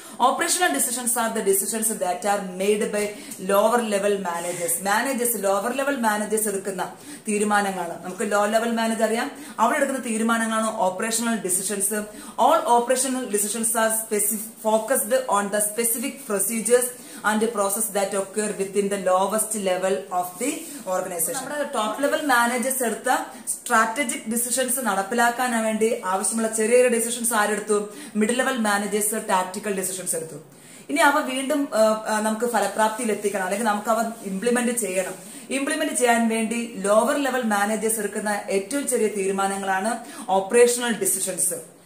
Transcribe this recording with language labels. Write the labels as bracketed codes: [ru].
[en] Operational decisions are the decisions that are made by lower level managers. [ml] Managers lower level managers എടുക്കുന്ന തീരുമാനങ്ങളാണ്. നമുക്ക് low level manager അറിയാം, അവരെടുക്കുന്ന തീരുമാനങ്ങളാണ് operational decisions. [en] All operational decisions are focused on the specific procedures and the process that occur within the lowest level of the organization. [ml] നമ്മുടെ top level managers എടുത്ത strategic decisions നടപ്പിലാക്കാൻ വേണ്ടി ആവശ്യമുള്ള ചെറിയ decisions ആരെടുത്തു? Middle level managers tactical decisions എടുത്തു. ഇനി അവ വീണ്ടും നമുക്ക് ഫലപ്രാപ്തിയിൽ എത്തിക്കണം, അല്ലെങ്കിൽ നമുക്ക് അവ ഇംപ്ലിമെന്റ് ചെയ്യണം. ഇംപ്ലിമെന്റ് ചെയ്യാൻ വേണ്ടി ലോവർ ലെവൽ മാനേജേഴ്സ് എടുക്കുന്ന ഏറ്റവും ചെറിയ തീരുമാനങ്ങളാണ് ഓപ്പറേഷണൽ ഡിസിഷൻസ്.